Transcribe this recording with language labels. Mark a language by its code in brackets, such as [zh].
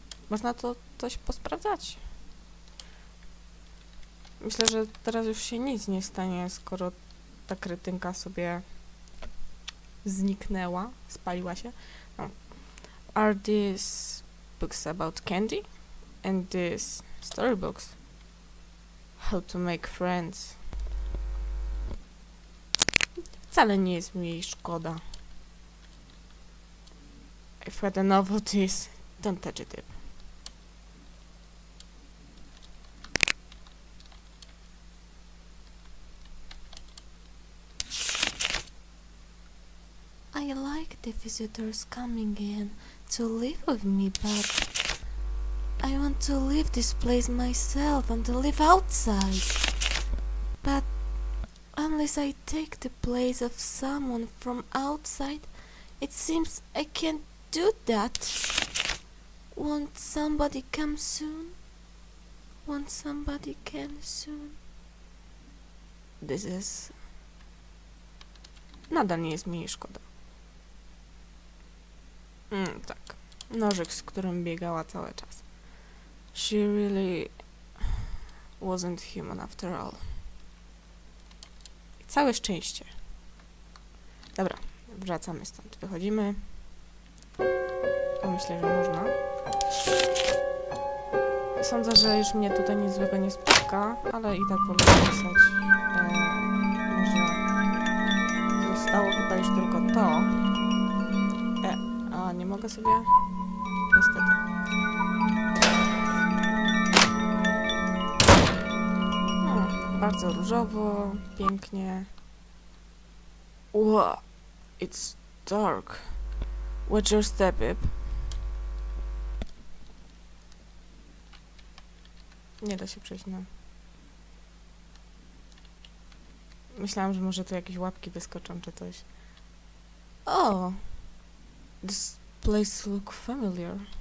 [pl] Można to coś posprawdzać. Myślę, że teraz już się nic nie stanie, skoro ta kretynka sobie zniknęła, spaliła się. No. [en] Are these books about candy? And these storybooks? How to make friends? [pl] Wcale nie jest mi jej szkoda. [en] I've had enough of this. Don't touch it. I like the visitors coming in to live with me, but I want to leave this place myself and to live outside. But unless I take the place of someone from outside, It seems I can't do that. Won't somebody come soon? Won't somebody come soon? This is... [pl] Nadal nie jest mi szkoda. Tak. Nożyk, z którym biegała cały czas. [en] She really wasn't human after all. [pl] Całe szczęście. Dobra, wracamy stąd. Wychodzimy. Myślę, że można. Sądzę, że już mnie tutaj nic złego nie spotka, ale i tak mogę pisać. Może zostało tutaj już tylko to. A nie mogę sobie? Niestety. Bardzo różowo, pięknie. Ła, [en] it's dark. Watch your step, Ip. [pl] Nie da się przejść, no. Myślałam, że może tu jakieś łapki wyskoczą, czy coś. [en] Oh, this place look familiar.